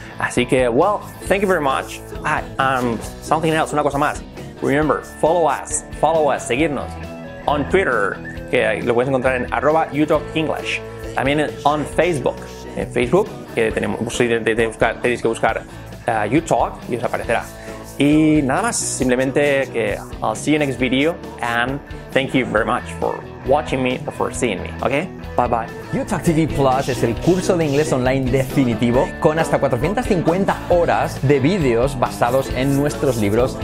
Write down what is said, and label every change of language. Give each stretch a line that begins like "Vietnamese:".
Spanish: Así que,
English: well, thank you very much. Something else,
Spanish: una cosa más.
English: Remember, follow us,
Spanish: seguirnos
English: on Twitter,
Spanish: que lo puedes encontrar en @youtalkenglish. También
English: on Facebook.
Spanish: En Facebook, que tenéis que buscar YouTalk y os aparecerá. Y nada más, simplemente que
English: I'll see you next video and thank you very much for watching me or for seeing me, okay? Bye bye.
Spanish: YouTalk TV Plus es el curso de inglés online definitivo con hasta 450 horas de vídeos basados en nuestros libros.